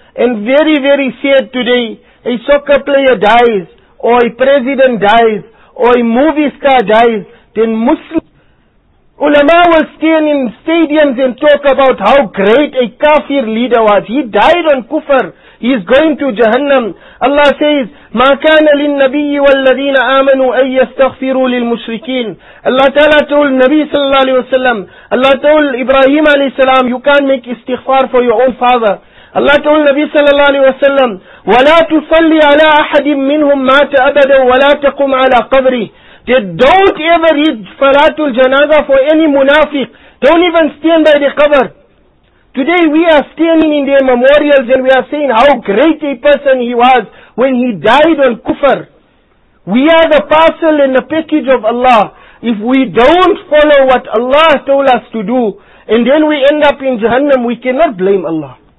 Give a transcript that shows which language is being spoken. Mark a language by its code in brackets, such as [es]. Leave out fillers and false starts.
[en] And very, very sad today, a soccer player dies, or a president dies, or a movie star dies, then Muslims, ulama will stand in stadiums and talk about how great a kafir leader was. He died on kufr. He is going to Jahannam. Allah says, [ar] مَا كَانَ لِلنَّبِيِّ وَالَّذِينَ آمَنُوا أَن يَسْتَغْفِرُوا لِلْمُشْرِكِينَ. [en] Allah Ta'ala told Nabi sallallahu alayhi wa sallam, Allah told Ibrahim alayhi salam, you can't make istighfar for your own father. Allah told Nabi sallallahu alayhi wa sallam, [ar] وَلَا تُصَلِّ عَلَى أَحَدٍ مِّنْهُمْ مَاتَ أَبَدًا وَلَا تَقُمْ عَلَى قَبْرِهِ. [en] That don't ever read Salatul Janaza for any munafiq. Don't even stand by the qabr. Today we are standing in their memorials and we are saying how great a person he was when he died on kufr. We are the parcel and the package of Allah. If we don't follow what Allah told us to do, and then we end up in Jahannam, we cannot blame Allah.